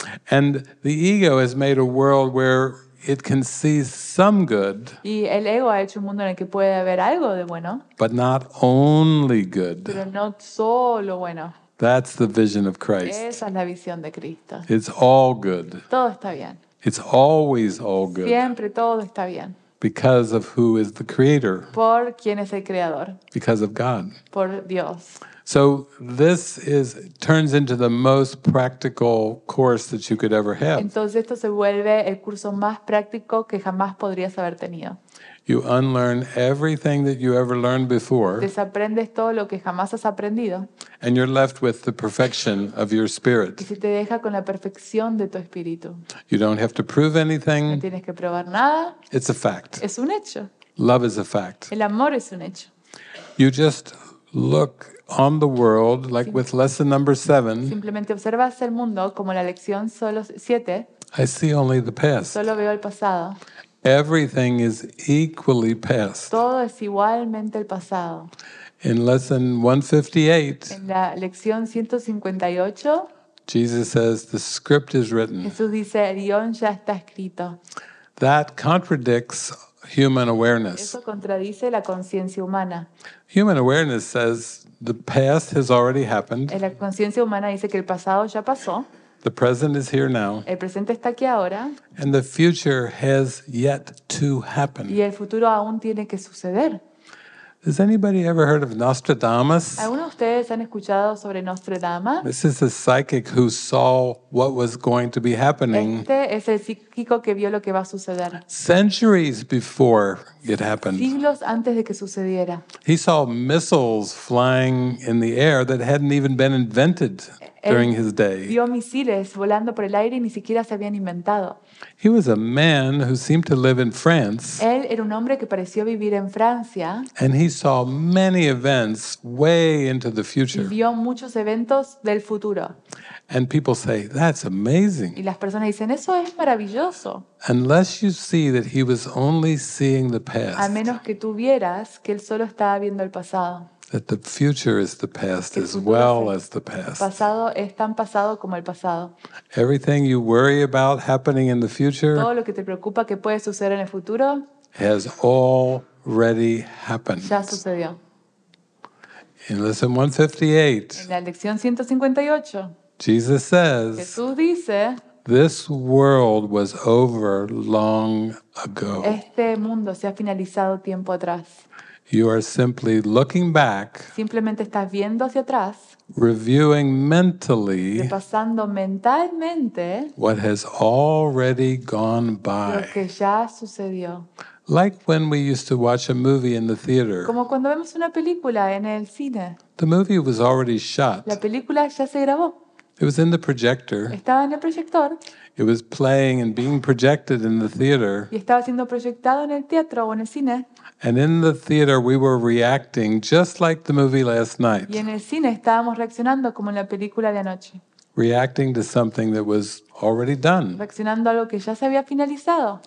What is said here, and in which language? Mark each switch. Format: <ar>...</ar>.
<en>And the ego has made a world where it can see some good.</en> <es>Y el ego ha hecho un mundo en el que puede haber algo de bueno.</es> <en>But not only good.</en> <es>Pero no solo bueno.</es> <en>That's the vision of Christ.</en> <es>Esa es la visión de Cristo.</es> <en>It's all good.</en> <es>Todo está bien.</es> <en>It's always all good.</en> <es>Siempre todo está bien.</es> <en>Because of who is the creator.</en> <es>Por quién es el creador.</es> <en>Because of God.</en> <es>Por Dios.</es> <en>So this is turns into the most practical course that you could ever have.</en> <es>Entonces esto se vuelve el curso más práctico que jamás podrías haber tenido.</es> <en>You unlearn everything that you ever learned before.</en> <es>Desaprendes todo lo que jamás has aprendido.</es> <en>And you're left with the perfection of your spirit.</en> <es>Y se te deja con la perfección de tu espíritu.</es> <en>You don't have to prove anything.</en> <es>No tienes que probar nada.</es> <en>It's a fact.</en> <es>Es un hecho.</es> <en>Love is a fact.</en> <es>El amor es un hecho.</es> <en>You just look on the world, like with lesson number 7.</en> <es>Simplemente observas el mundo como la lección solo 7.</es> <en>I see only the past.</en> <es>Solo veo el pasado.</es> <en>Everything is equally past.</en> <es>Todo es igualmente el pasado.</es> <en>In lesson 158.</en> <es>En la lección 158.</es> <en>Jesus says the script is written.</en> <es>Jesús dice el guion ya está escrito.</es> <en>That contradicts human awareness.</en> <es>Eso contradice la conciencia humana.</es> <en>Human awareness says the past has already happened.</en> <es>La conciencia humana dice que el pasado ya pasó.</es> <en>The present is here now.</en> <es>El presente está aquí ahora.</es> <en>And the future has yet to happen.</en> <es>Y el futuro aún tiene que suceder.</es> <en>Has anybody ever heard of Nostradamus?</en> <es>¿Alguno de ustedes han escuchado sobre Nostradamus?</es> <en>This is a psychic who saw what was going to be happening.</en> <es>Este es el psíquico que vio lo que va a suceder.</es> <en>Centuries before it happened.</en> <es>Siglos antes de que sucediera.</es> <en>He saw missiles flying in the air that hadn't even been invented during his day.</en> <es>Vio misiles volando por el aire y ni siquiera se habían inventado.</es> <en>He was a man who seemed to live in France.</en> <es>Él era un hombre que pareció vivir en Francia.</es> <en>And he saw many events way into the future.</en> <es>Vio muchos eventos del futuro.</es> <en>And people say, that's amazing.</en> <es>Y las personas dicen, eso es maravilloso.</es> <en>Unless you see that he was only seeing the past.</en> <es>A menos que tú vieras que él solo estaba viendo el pasado.</es> <en>That the future is the past as well as the past.</en> <es>El pasado es tan pasado como el pasado.</es> <en>Everything you worry about happening in the future.</en> <es>Todo lo que te preocupa que puede suceder en el futuro.</es> <en>Has already happened.</en> <es>Ya sucedió.</es> <en>In lesson 158.</en> <es>En la lección 158.</es> <en>Jesus says.</en> <es>Jesús dice.</es> <en>This world was over long ago.</en> <es>Este mundo se ha finalizado tiempo atrás.</es> <en>You are simply looking back.</en> <es>Simplemente estás viendo hacia atrás.</es> <en>Reviewing mentally.</en> <es>Repasando mentalmente.</es> <en>What has already gone by.</en> <es>Lo que ya sucedió.</es> <en>Like when we used to watch a movie in the theater.</en> <es>Como cuando vemos una película en el cine.</es> <en>The movie was already shot.</en> <es>La película ya se grabó.</es> <en>It was in the projector.</en> <es>Estaba en el proyector.</es> <en>It was playing and being projected in the theater.</en> <es>Y estaba siendo proyectado en el teatro o en el cine.</es> <en>And in the theater we were reacting just like the movie last night.</en> <es>Y en el cine estábamos reaccionando como en la película de anoche.</es> <en>Reacting to something that was already done.</en> <es>Reaccionando a algo que ya se había finalizado.</es>